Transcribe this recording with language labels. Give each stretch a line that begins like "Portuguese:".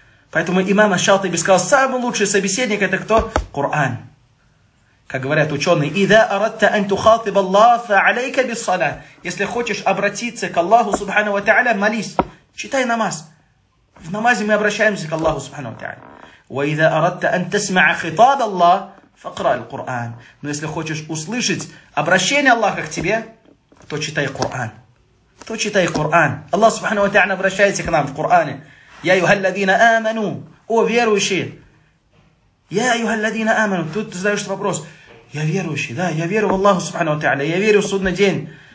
Russian: Поэтому имам Аш-Шатиби сказал, самый лучший собеседник это кто? Коран. Как говорят ученые,
Arabic: «Иза аратта ан тухатиб Аллах, фа алейка бис-сала».
Russian: Если хочешь обратиться к Аллаху Субхану ва Тааля, молись, читай намаз. В намазе мы обращаемся к Аллаху Субхану ва Тааля.
Arabic: وإذا أردت أن تسمع خطاب الله فقرأ القرآن.
Russian: Но если хочешь услышать обращение Аллаха к тебе, то читай Коран. То читай Коран. Аллах Субхану ва Тааля обращается к нам в Коране.
Arabic: Я юхаллазина аману.
Russian: О верующие. Я юхаллазина аману. Тут ты задаешь вопрос. Я верующий, да, я верю в Аллаха Субхану ва Тааля. Я верю в судный день.